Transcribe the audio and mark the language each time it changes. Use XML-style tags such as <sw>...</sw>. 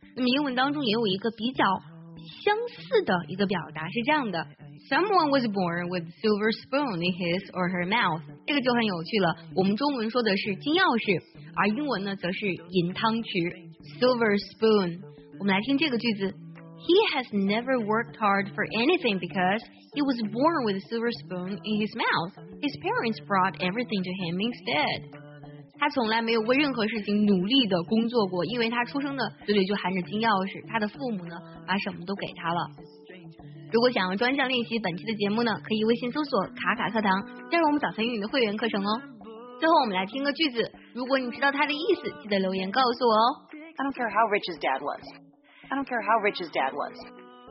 <zh>那么英文当中也有一个比较相似的一个表达是这样的</zh> <en>，Someone was born with silver spoon in his or her mouth。</en> <zh>这个就很有趣了。我们中文说的是金钥匙，而英文呢则是银汤匙 ，silver spoon。我们来听这个句子</zh> <en>：He has never worked hard for anything because he was born with a silver spoon in his mouth. His parents brought everything to him instead。</en> <zh>他从来没有为任何事情努力的工作过，因为他出生的嘴里就含着金钥匙，他的父母呢把什么都给他了。如果想要专项练习本期的节目呢，可以微信搜索卡卡课堂，加入我们早餐英语的会员课程哦。最后我们来听个句子，如果你知道它的意思，记得留言告诉我哦。</zh> <en>I don't care how rich his dad was. I don't care how rich his dad was.</en>